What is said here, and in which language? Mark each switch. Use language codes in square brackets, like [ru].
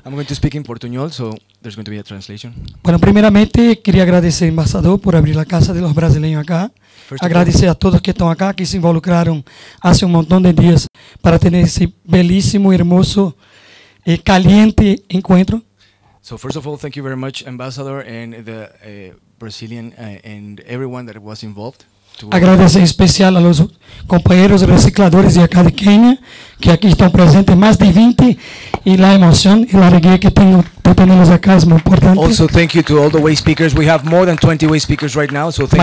[en] I'm going to speak in portunhol, so there's going to be a translation. [es] Bueno, [pt] primeiramente, queria agradecer, embaixador, por abrir a casa de [es] los brasileños acá. [pt] Agradecer a todos que estão acá, que se involucraram há um montão de dias para ter esse belíssimo, [es] hermoso, caliente encuentro. [en] So first of all, thank you very much, Ambassador, and the Brazilian and everyone that was involved. [pt] Agradecer em especial aos companheiros recicladores de acá de Quênia, que aqui estão presentes, mais de 20, e a emoção e a alegria que tenho de tê-los acá é muito importante. [en] Also, thank you to all the way speakers. We have more than 20 way speakers right now, so thank